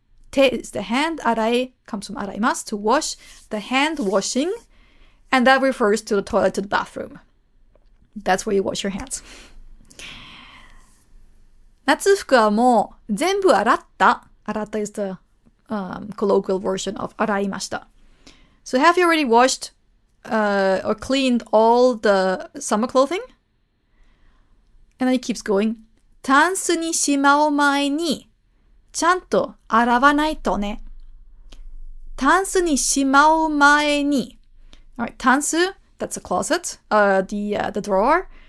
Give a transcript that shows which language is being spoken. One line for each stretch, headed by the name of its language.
English: Te is the hand, arai comes from araimasu, to wash, the hand washing, and that refers to the toilet, to the bathroom. That's where you wash your hands.
Japanese: 夏服はもう全部洗った.
English: Arata is the colloquial version of araimashita. So have you already washed or cleaned all the summer clothing? And then it keeps going.
Japanese: タンスにしまう前に. ちゃんと洗わないとね. タンスにしまう前に.
English: All right, タンス, that's a closet, the drawer.